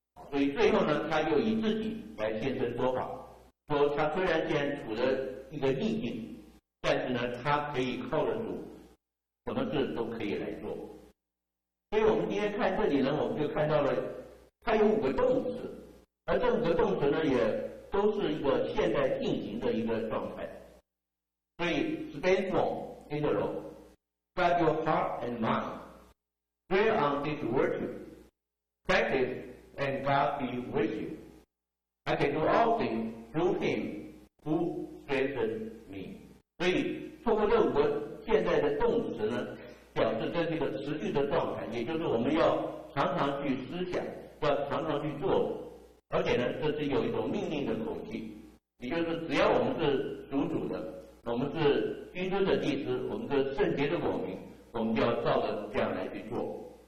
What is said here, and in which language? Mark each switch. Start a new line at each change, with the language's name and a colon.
Chinese: 所以最后呢，他又以自己来现身说法，说他虽然现在处着一个逆境，但是呢，他可以靠得住，什么事都可以来做。所以我们今天看这里呢，我们就看到了它有五个动词，而这五个动词呢，也都是一个现在进行的一个状态。所以
English: stand strong, in the Lord, guard your heart and mind, pray on this virtue, practice and God be with you. I can do all things. Through him who strengthened me.
Chinese: 所以透过这五个现在的动词呢，表示这是一个持续的状态，也就是我们要常常去思想，要常常去做，而且呢，这是有一种命令的口气，也就是只要我们是属主的，我们是君尊的祭司，我们是圣洁的国民，我们就要照着这样来去做。